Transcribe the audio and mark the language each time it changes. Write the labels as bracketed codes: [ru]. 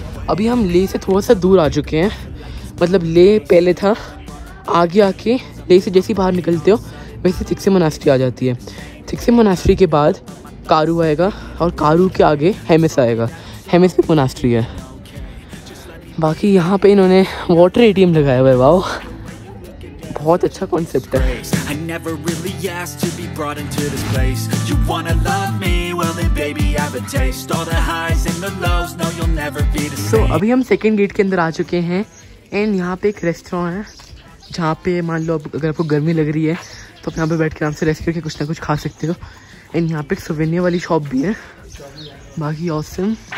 [hi] अभी हम ले से थोड़ा सा दूर आ चुके हैं, मतलब ले पहले था, आगे आके ले से जैसे ही बाहर निकलते हो वैसे थिक्से मोनास्ट्री आ जाती है. थिक्से मोनास्ट्री के बाद कारू आएगा और कारू के आगे हेमिस आएगा. हेमिस भी मोनास्ट्री है. बाकी यहाँ पर इन्होंने वाटर ATM लगाया हुआ है. वाओ, बहुत अच्छा कॉन्सेप्ट है. [en] I never really asked to be brought into this place. You wanna love me? Well then baby have a taste. All the highs and the lows, no you'll never be the same. [hi] So, अभी हम second gate के अंदर आ चुके हैं and यहाँ पे एक restaurant है जहाँ पे मान लो अगर आपको गर्मी लग रही है तो आप यहाँ पे बैठ के आराम से रेस्ट करके कुछ ना कुछ खा सकते हो. एंड यहाँ पे एक सुवेनिया वाली शॉप भी है, बाकी ऑसम.